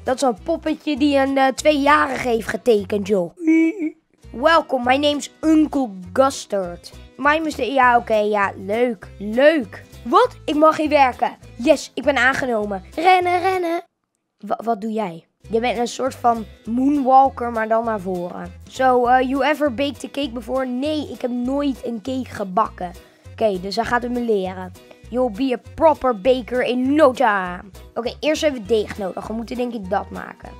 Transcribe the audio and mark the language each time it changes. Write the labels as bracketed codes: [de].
[nl] Dat is een poppetje die een 2-jarige heeft getekend, joh. Welkom, [en] my name's Uncle Gustard. [nl] Ja, leuk. Leuk. Wat? Ik mag hier werken. Yes, ik ben aangenomen. Rennen. Wat doe jij? Je bent een soort van moonwalker, maar dan naar voren. [en] You ever baked a cake before? [nl] Nee, ik heb nooit een cake gebakken. Oké, dus hij gaat het me leren. [en] You'll be a proper baker in no time. [nl] Oké, eerst hebben we deeg nodig. We moeten denk ik dat maken.